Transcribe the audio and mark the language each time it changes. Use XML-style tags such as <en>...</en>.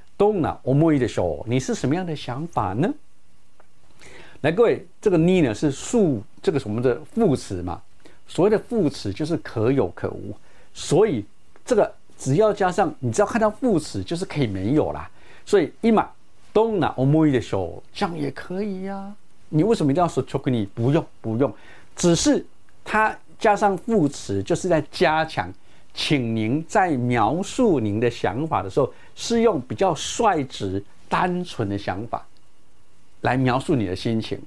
<ja>どんな思いでしょう？</ja> <zh>你是什么样的想法呢？来，各位，这个呢是数这个什么的副词嘛？所谓的副词就是可有可无，所以这个只要加上，你只要看到副词就是可以没有啦。</zh> <ja>所以今どんな思いでしょう？</ja> <zh>这样也可以呀、啊。你为什么一定要说直に？不用不用，只是它加上副词就是在加强。请您在描述您的想法的时候，是用比较率直、单纯的想法来描述你的心情。</zh>